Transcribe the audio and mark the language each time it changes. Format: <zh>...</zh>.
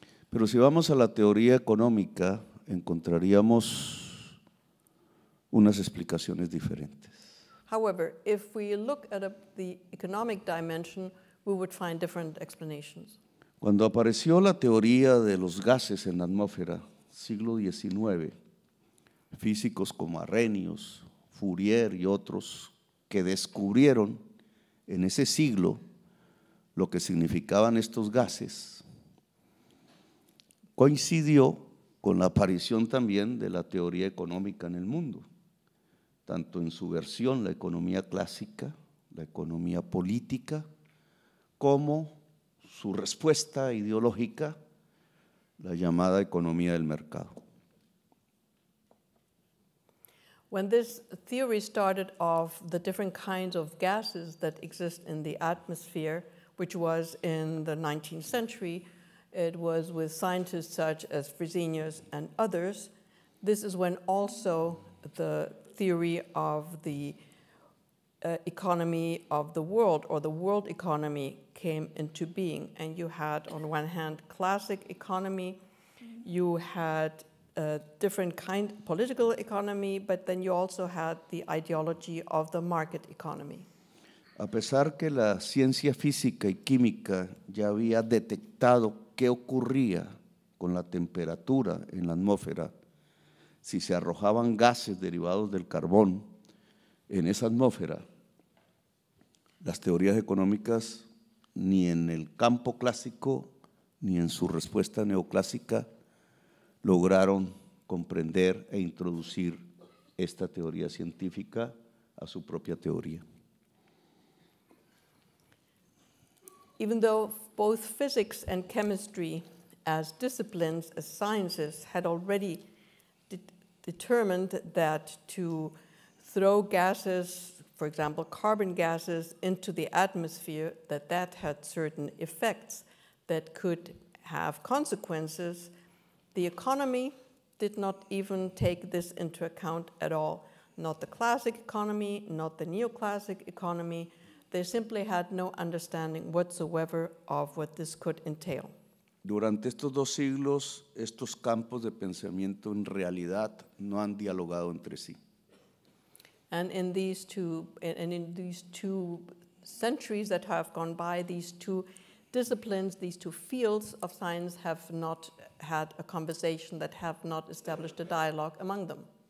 <es>Pero si vamos a la teoría económica, encontraríamos unas explicaciones diferentes.</es> <en>However, if we look at the economic dimension, we would find different explanations.</en> <es>Cuando apareció la teoría de los gases en la atmósfera, siglo XIX, físicos como Arrhenius, Fourier y otros que descubrieron en ese siglo lo que significaban estos gases, coincidió con la aparición también de la teoría económica en el mundo, tanto en su versión la economía clásica, la economía política, como su respuesta ideológica, la llamada economía del mercado.</es> <en>When this theory started of the different kinds of gases that exist in the atmosphere, which was in the 19th century, it was with scientists such as Fresenius and others. This is when also the theory of the economy of the world or the world economy came into being. And you had, on one hand, classic economy, you had a different kind of political economy, but then you also had the ideology of the market economy.</en> <es>A pesar que la ciencia física y química ya había detectado qué ocurría con la temperatura en la atmósfera si se arrojaban gases derivados del carbón en esa atmósfera, las teorías económicas ni en el campo clásico ni en su respuesta neoclásica lograron comprender e introducir esta teoría científica a su propia teoría.</es> <en>Even though both physics and chemistry as disciplines, as sciences, had already determined that to throw gases, for example, carbon gases, into the atmosphere, that that had certain effects that could have consequences, the economy did not even take this into account at all. Not the classic economy, not the neoclassic economy. They simply had no understanding whatsoever of what this could entail.</en> <es>Durante estos dos siglos, estos campos de pensamiento en realidad no han dialogado entre sí.</es> <en>And in these two centuries that have gone by, these two disciplines, these two fields of science have not had a conversation, that have not established a dialogue among them.</en>